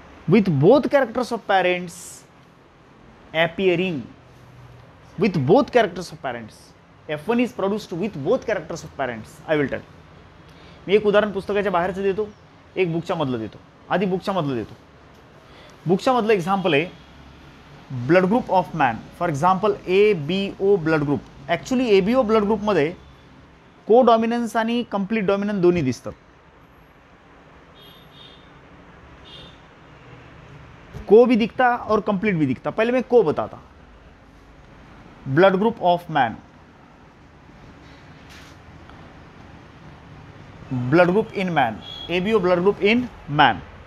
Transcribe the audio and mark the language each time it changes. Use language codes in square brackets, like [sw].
[en] With both characters of parents appearing with both characters of parents. F1 is produced with both characters of parents. I will tell. [mr] मी एक उदाहरण पुस्तकाच्या बाहेरचं देतो, एक बुकच्या मधलं देतो. आधी बुकच्या मधलं देतो. बुकच्या मधलं एक्झाम्पल आहे [en] Blood group of man. For example ABO blood group. [mr] Actually ABO blood ग्रुपमध्ये को डॉमिनन्स आणि कम्प्लीट डॉमिनन्स दोन्ही दिसतात. [hi] को भी दिखता और कम्प्लीट भी दिखता. [mr] पहिले मी को बताता. [en] Blood group of man, blood group in man, ABO blood group in man.